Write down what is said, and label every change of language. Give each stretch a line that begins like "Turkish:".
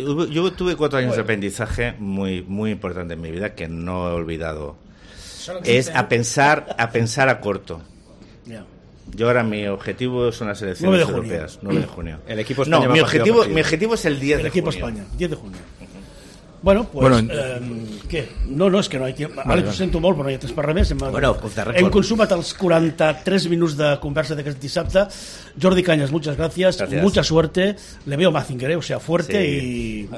Spanish: Yo tuve 4 años de aprendizaje muy, muy importante en mi vida que no he olvidado. Es a pensar a corto. Yo ahora mi objetivo son las elecciones 9 europeas, 9 de junio. El equipo español. No, mi objetivo es el 10 el de junio. El equipo España, 10 de junio. Bueno, pues bueno, ¿qué? No es que no hay tiempo.
Catalan: Vale, vale. Ara sento molt, però no hi ha temps per res més. Hem consumat els 43 minuts de conversa d'aquest dissabte.
Spanish: Jordi Cañas, muchas gracias. Gracias. Mucha suerte. Le veo Mazinger, o sea, fuerte, sí.